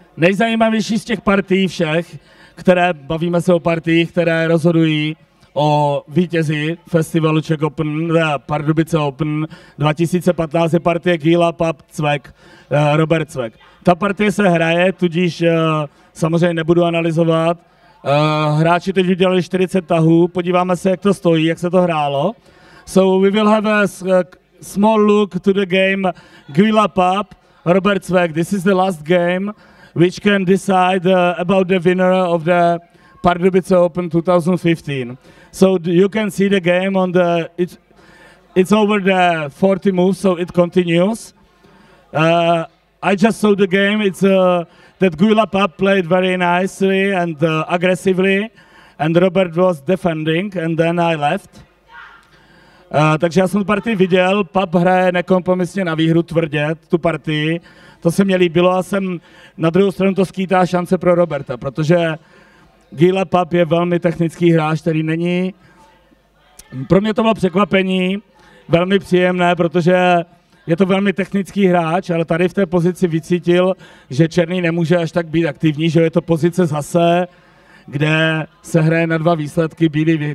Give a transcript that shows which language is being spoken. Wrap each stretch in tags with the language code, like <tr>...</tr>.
<cs>nejzajímavější z těch partií všech, které, bavíme se o partiích, které rozhodují o vítězi festivalu Czech Open, Pardubice Open 2015, je partie Gila Pap Cvek, Robert Cvek. Ta partie se hraje, tudíž samozřejmě nebudu analyzovat. Hráči teď udělali 40 tahů, podíváme se, jak to stojí, jak se to hrálo.</cs> <en>So we will have a small look to the game Gila Pap, Robert Cvek. This is the last game which can decide about the winner of the Pardubice Open 2015. So you can see the game on the, it's over the 40 moves, so it continues. I just saw the game, it's that Gila Pap played very nicely and aggressively, and Robert was defending, and then I left.</en> <cs>Takže já jsem tu partii viděl, Pap hraje nekompromisně na výhru tvrdě, tu partii. To se mi líbilo a jsem, na druhou stranu to skýtá šance pro Roberta, protože Gila Pap je velmi technický hráč, který není. Pro mě to bylo překvapení, velmi příjemné, protože je to velmi technický hráč, ale tady v té pozici vycítil, že černý nemůže až tak být aktivní, že je to pozice zase, kde se hraje na dva výsledky, bílý vyhraje.</cs>